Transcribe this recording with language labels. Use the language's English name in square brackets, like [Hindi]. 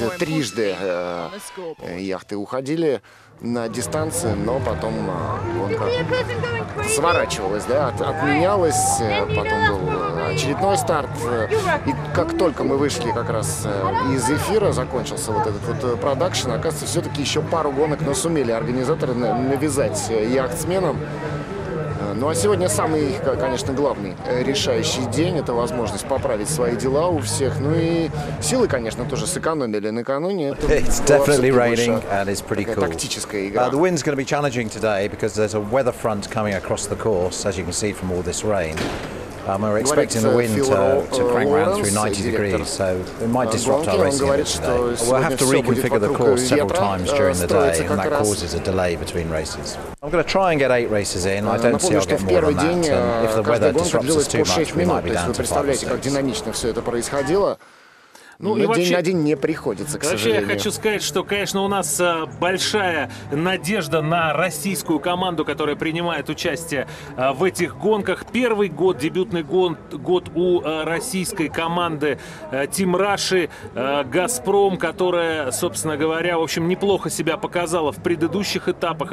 [Russian] Трижды яхты уходили на дистанции, но потом гонка сворачивалась, да, отменялась, потом был очередной старт, и как только мы вышли как раз из эфира, закончился вот этот вот продакшн, оказывается, все-таки еще пару гонок, но сумели организаторы навязать яхтсменам. Ну а сегодня самый, конечно, главный решающий день, это возможность поправить свои дела у всех. Ну и силы, конечно, тоже сэкономили накануне. [English] It's definitely raining and it's pretty cool. [Russian] Тактическая игра. [English] The wind's going to be challenging today because there's a weather front coming across the course, as you can see from all this rain. We're expecting the wind to crank around through 90 degrees, so it might disrupt our racing today. We'll have to reconfigure the course several times during the day, and that causes a delay between races. I'm going to try and get 8 races in. I don't see I'll get more than that. And if the weather disrupts us too much, we might be down to 5 or 6. [Russian] Ну, и вообще, день на день не приходится, к сожалению. Вообще, я хочу сказать, что, конечно, у нас большая надежда на российскую команду, которая принимает участие в этих гонках. Первый год, дебютный год у российской команды Team Russia, Газпром, которая, собственно говоря, в общем, неплохо себя показала в предыдущих этапах.